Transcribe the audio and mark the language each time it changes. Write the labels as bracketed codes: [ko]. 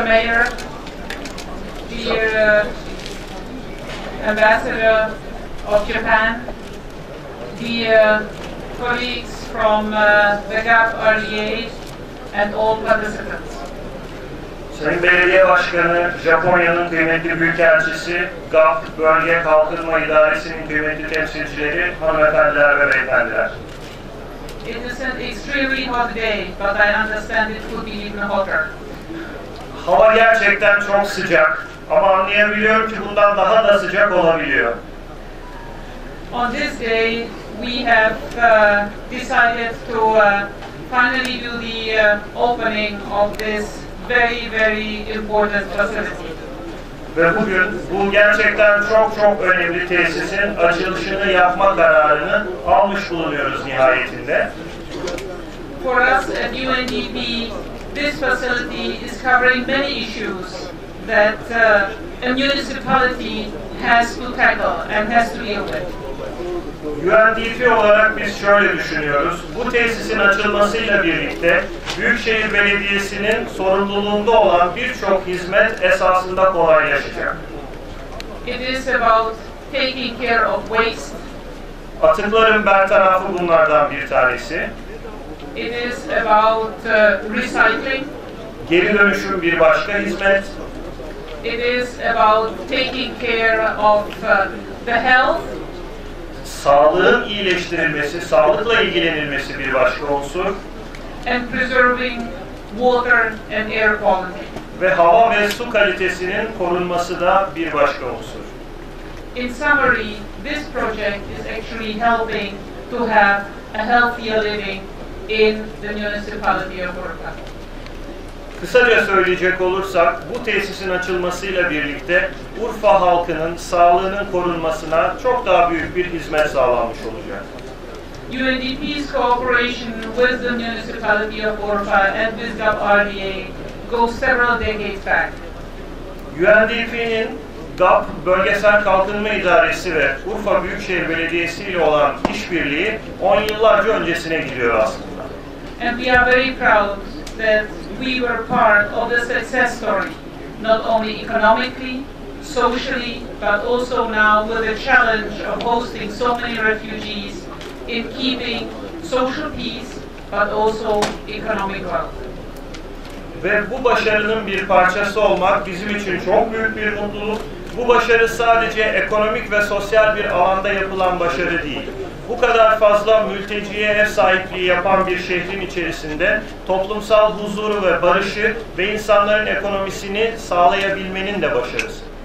[en] Mayor, dear Ambassador of Japan, dear colleagues from the GAP Early Aid and all participants. [tr] Sayın Belediye Başkanı, Japonya'nın kıymetli Büyükelçisi, GAP Bölge Kalkınma İdaresi'nin kıymetli temsilcileri, hanımefendiler ve beyefendiler. [en] It is an extremely hot day, but I understand it could be even hotter. [tr] Hava gerçekten çok sıcak, ama anlayabiliyorum ki bundan daha da sıcak olabiliyor. [en] On this day, we have decided to finally do the opening of this very, very important facility. [tr] Ve bugün bu gerçekten çok çok önemli tesisin açılışını yapma kararını almış bulunuyoruz nihayetinde. [en] For us at UNDP, this facility is covering many issues that a municipality has to tackle and has to deal with. [tr] UNDP olarak biz şöyle düşünüyoruz. Bu tesisin açılmasıyla birlikte Büyükşehir Belediyesi'nin sorumluluğunda olan birçok hizmet esasında kolaylaşacak. [en] It is about taking care of waste. [tr] Atıkların bertarafı bunlardan bir tanesi. [en] It is about recycling. [tr] Geri dönüşüm bir başka hizmet. [en] It is about taking care of the health. [tr] Sağlığın iyileştirilmesi, sağlıkla ilgilenilmesi bir başka unsur. [en] And preserving water and air quality. [tr] Ve hava ve su kalitesinin korunması da bir başka unsur. [en] In summary, this project is actually helping to have a healthier living in the municipality of Urfa. [tr] Kısaca söyleyecek olursak, bu tesisin açılmasıyla birlikte Urfa halkının sağlığının korunmasına çok daha büyük bir hizmet sağlanmış olacak. [en] UNDP's cooperation with the municipality of Urfa and with GAP-RDA goes several decades back. [tr] UNDP'nin GAP Bölgesel Kalkınma İdaresi ve Urfa Büyükşehir Belediyesi ile olan işbirliği 10 yıllarca öncesine gidiyor aslında. [en] And we are very proud that we were part of the success story, not only economically, socially, but also now with the challenge of hosting so many refugees in keeping social peace, but also economic growth. [tr] Ve bu başarının bir parçası olmak bizim için çok büyük bir mutluluk. Bu başarı sadece ekonomik ve sosyal bir alanda yapılan başarı değil. Bu kadar fazla mülteciye ev sahipliği yapan bir şehrin içerisinde toplumsal huzuru ve barışı ve insanların ekonomisini sağlayabilmenin de başarısı.